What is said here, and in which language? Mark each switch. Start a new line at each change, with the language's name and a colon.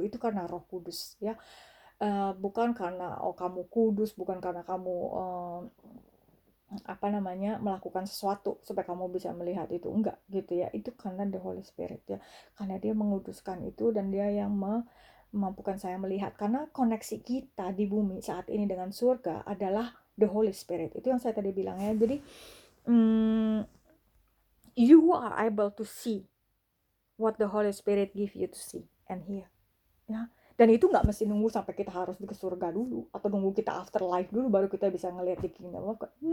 Indonesian: Itu karena Roh Kudus, ya, bukan karena oh kamu kudus, bukan karena kamu apa namanya melakukan sesuatu supaya kamu bisa melihat itu, enggak gitu, ya. Itu karena the Holy Spirit, ya, karena dia menguduskan itu dan dia yang memampukan saya melihat. Karena koneksi kita di bumi saat ini dengan surga adalah the Holy Spirit, itu yang saya tadi bilang, ya. Jadi
English: you are able to see what the Holy Spirit give you to see and hear, ya.
Indonesian: Dan itu nggak mesti nunggu sampai kita harus ke surga dulu atau nunggu kita afterlife dulu baru kita bisa ngelihat di kingdom of God.